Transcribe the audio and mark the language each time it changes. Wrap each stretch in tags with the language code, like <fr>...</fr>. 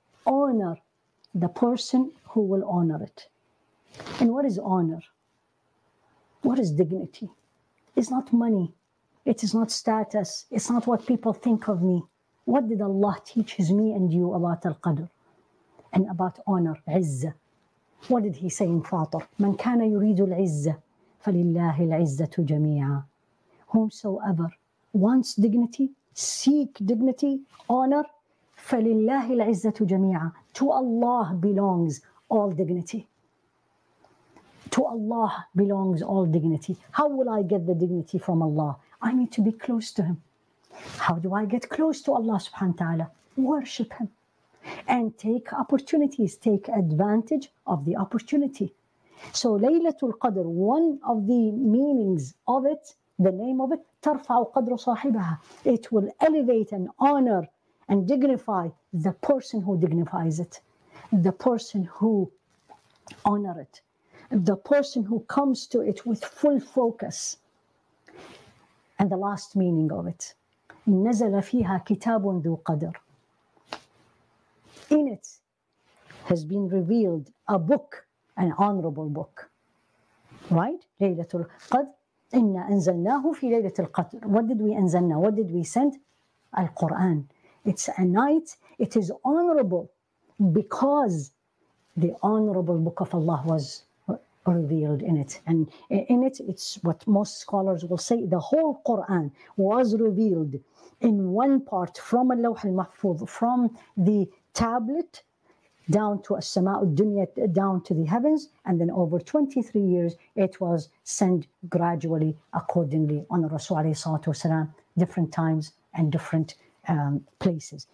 <en>Honor the person who will honor it. And what is honor? What is dignity? It's not money. It is not status. It's not what people think of me. What did Allah teach me and you about al-qadr? And about honor, izzah. What did He say in Fatir?</en> <ar>من كان يريد العزة فلله العزة جميعا.</ar> <en>Whomsoever wants dignity, seek dignity, honor,</en> <ar>فَلِلَّهِ الْعِزَّةُ جَمِيعًا.</ar> <en>To Allah belongs all dignity. To Allah belongs all dignity. How will I get the dignity from Allah? I need to be close to Him. How do I get close to Allah subhanahu wa ta'ala? Worship Him. And take opportunities, take advantage of the opportunity. So Laylatul Qadr, one of the meanings of it, the name of it,</en> <ar>تَرْفَعُ قَدْرُ صَاحِبَهَا.</ar> <en>It will elevate and honor and dignify the person who dignifies it, the person who honor it, the person who comes to it with full focus. And the last meaning of it,</en> <ar>نزل فيها كتاب ذو قدر.</ar> <en>In it has been revealed a book, an honorable book. Right? Laylatul Qadr.</en> <ar>إنا أنزلناه في ليلة القدر.</ar> <en>What did we أنزلنا? What did we send? Al-Quran. It's a night, it is honorable because the honorable book of Allah was revealed in it. And in it, it's what most scholars will say, the whole Quran was revealed in one part from Al-Lawh Al-Mahfuz, from the tablet down to As-Sama'u Dunya, down to the heavens, and then over 23 years, it was sent gradually, accordingly, on Rasul alayhi salatu wasalam, different times and different places.</en>